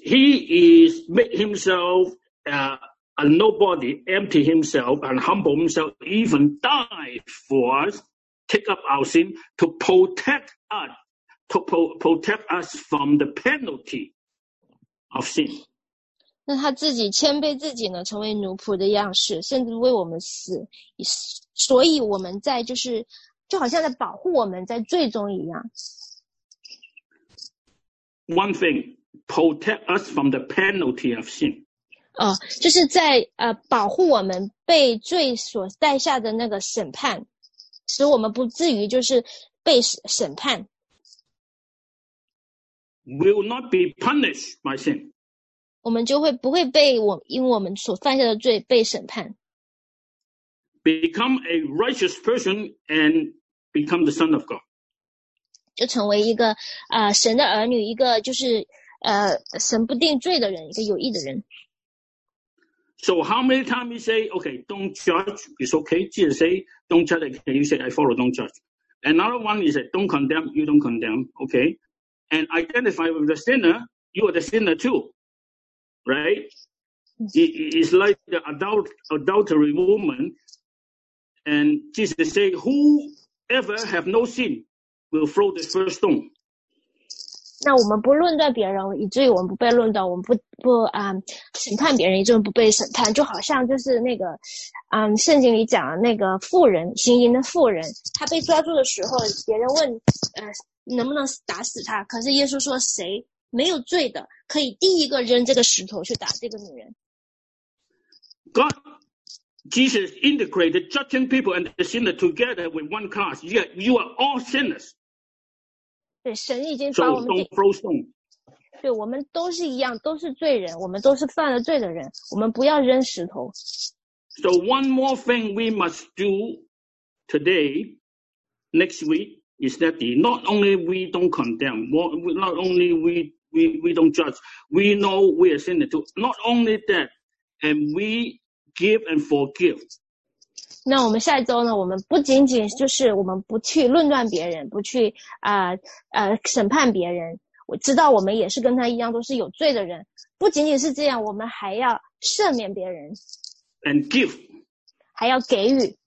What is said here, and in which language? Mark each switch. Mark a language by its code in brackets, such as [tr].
[en] He is made himself a nobody, empty himself and humble himself, even die for us, take up our sin to protect us, to protect us from the penalty of sin. [zh] 那他自己谦卑自己呢，成为奴仆的样式，甚至为我们死，所以我们在就好像在保护我们在罪中一样。 [en] One thing, protect us from the penalty of sin. [zh] 哦，就是在保护我们被罪所带下的那个审判，使我们不至于就是被审判。 [en] Will not be punished by sin. [zh] 我们就会不会被因我们所犯下的罪被审判。 [en] Become a righteous person and become the son of God. [zh] 就成为一个神的儿女，一个就是神不定罪的人，一个有义的人。 [en] So how many times you say, okay, don't judge, it's okay. Jesus say, don't judge, can you say, I follow, don't judge. Another one is that don't condemn, you don't condemn, okay. And identify with the sinner, you are the sinner too, right? It's like the adultery woman, and Jesus say, whoever have no sin. Will throw the first stone. [zh] 那我们不论断别人，以至于我们不被论断，我们不审判别人，以至于不被审判，就好像就是那个，圣经里讲的那个妇人，行淫的妇人，他被抓住的时候，别人问，能不能打死他？可是耶稣说，谁没有罪的，可以第一个扔这个石头去打这个女人。 [en] God, Jesus integrated judging people and the sinner together with one class. Yet you are all sinners. [zh] 对，神已经把我们对，我们都是一样，都是罪人，我们都是犯了罪的人，我们不要扔石头。 [en] So one more thing we must do today, next week is that not only we don't condemn, not only we don't judge, we know we are sinners too. Not only that, and we give and forgive. [zh] 那我们下一周呢，我们不仅仅就是我们不去论断别人，不去审判别人，我知道我们也是跟他一样都是有罪的人，不仅仅是这样，我们还要赦免别人 [en] and give， [zh] 还要给予